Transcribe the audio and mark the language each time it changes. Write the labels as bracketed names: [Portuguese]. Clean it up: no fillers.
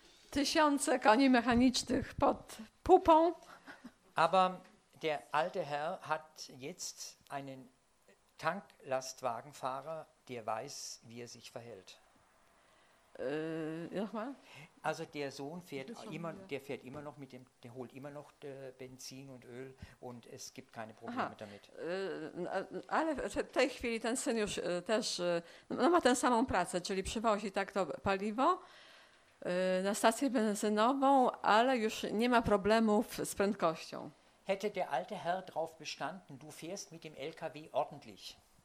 [Polish] Tysiące koni mechanicznych pod pupą. [German] Aber der alte Herr hat jetzt einen Tanklastwagenfahrer, der weiß, wie er sich verhält. Nochmal? Also der Sohn fährt immer, der fährt immer noch mit dem, der holt immer noch Benzin und Öl und es gibt keine Probleme Aha. damit. [Polish] Ale w tej chwili ten syn już też no ma tę samą pracę, czyli przywozi tak to paliwo na stację benzynową, ale już nie ma problemów z prędkością. [German] Hätte der alte Herr drauf bestanden, du fährst mit dem LKW ordentlich.